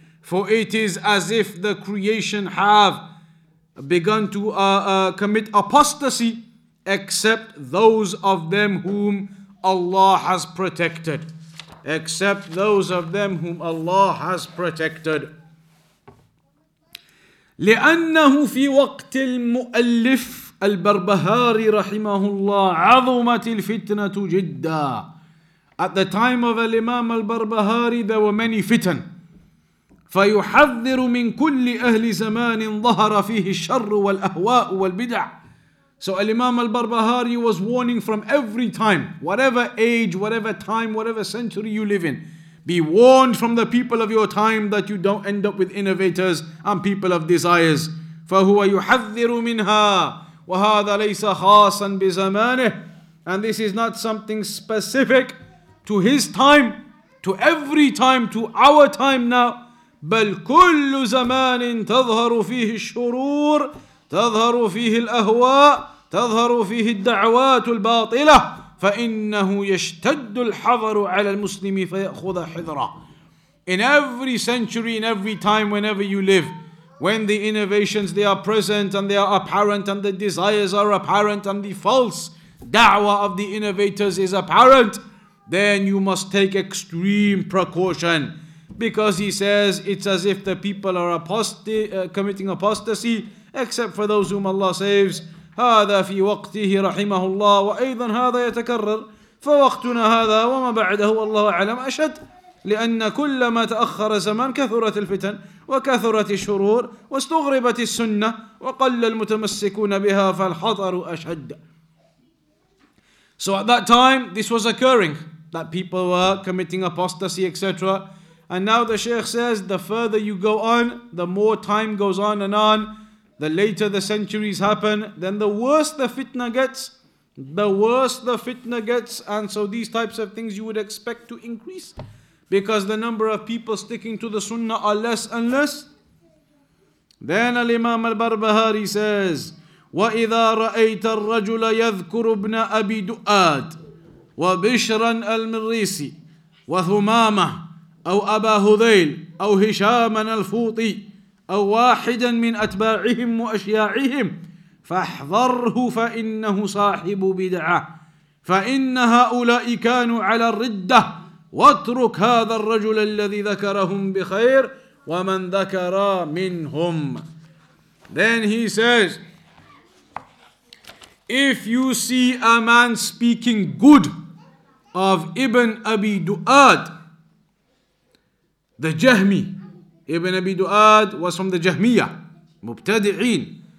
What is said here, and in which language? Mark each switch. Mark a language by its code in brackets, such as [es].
[en] For it is as if the creation have begun to commit apostasy, except those of them whom Allah has protected. Except those of them whom Allah has protected. [ar] لأنه في وقت المؤلف البربهاري رحمه الله عظمت الفتنة جدا. [en] At the time of Imam al-Barbahari, there were many fitan. [ar] فيحذر من كل أهل زمان ظهر فيه الشر والأهواء والبدع. [en] So Imam al-Barbahari was warning from every time, whatever age, whatever time, whatever century you live in, be warned from the people of your time that you don't end up with innovators and people of desires. [ar] فهو يحذر منها وهذا ليس خاصا بزمانه. [en] And this is not something specific to his time, to every time, to our time now. [ar] بل كل زمان تظهر فيه الشرور تظهر فيه الأهواء تظهر فيه الدعوات الباطلة فإنه يشتد الحذر على المسلم فيأخذ حذرة. [en] In every century, in every time, whenever you live, when the innovations, they are present and they are apparent and the desires are apparent and the false da'wah of the innovators is apparent, then you must take extreme precaution. Because he says it's as if the people are committing apostasy, except for those whom Allah saves. [ar] هذا في وقته رحمه الله وأيضا هذا يتكرر فوقتنا هذا وما بعده والله أعلم أشد لأن كل ما تأخر زمان كثرت الفتن وكثرت الشرور واستغربت السنة وقل المتمسكون بها فالحضر أشد. [en] So at that time this was occurring, that people were committing apostasy, etc. And now the Shaykh says the further you go on, the more time goes on and on, the later the centuries happen, then the worse the fitna gets, the worse the fitna gets. And so these types of things you would expect to increase, because the number of people sticking to the sunnah are less and less. Then Al-Imam Al-Barbahari says, [ar] وَإِذَا رَأَيْتَ الرَّجُلَ يَذْكُرُ ابْنَ أَبِي دُؤَادٍ وَبِشْرًا الْمِرِّيسِ وَثُمَامَةً أَوْ أَبَا هُذَيْلٍ أَوْ هِشَامًا الْفُوطِي أو واحدا من أتباعهم وأشياعهم فاحذره فإنه صاحب بدعة فإن هؤلاء كانوا على الردة واترك هذا الرجل الذي ذكرهم بخير ومن ذكر منهم. [en] Then he says, if you see a man speaking good of Ibn Abi Duad, the Jahmi, Ibn Abi Duad was from the Jahmiyya, Mubtadi'een.